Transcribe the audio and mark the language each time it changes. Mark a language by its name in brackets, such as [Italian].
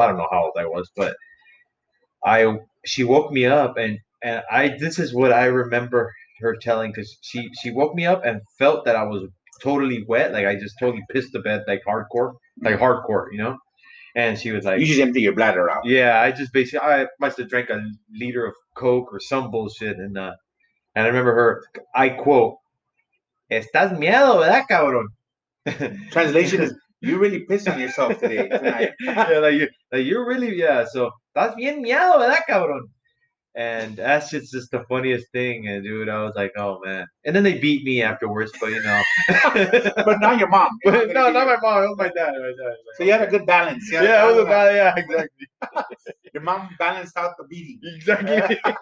[English] I don't know how old I was, but she woke me up and this is what I remember her telling, because she woke me up and felt that I was totally wet. Like I just totally pissed the bed, like hardcore, you know? And she was like, you just empty your bladder out. Yeah, I just basically, I must have drank a liter of Coke or some bullshit. And I remember her, I quote, [Spanish] estás miedo, ¿verdad, cabrón? [English] Translation is, you really pissed on yourself today. Yeah, so, [Spanish] estás bien miedo, ¿verdad, cabrón? [English] And that shit's just the funniest thing. And dude, I was like, oh, man. And then they beat me afterwards, but you know. But not your mom. Not my mom. It was my dad. Like, so you had a good balance. Yeah, exactly. Your mom balanced out the beating. Exactly.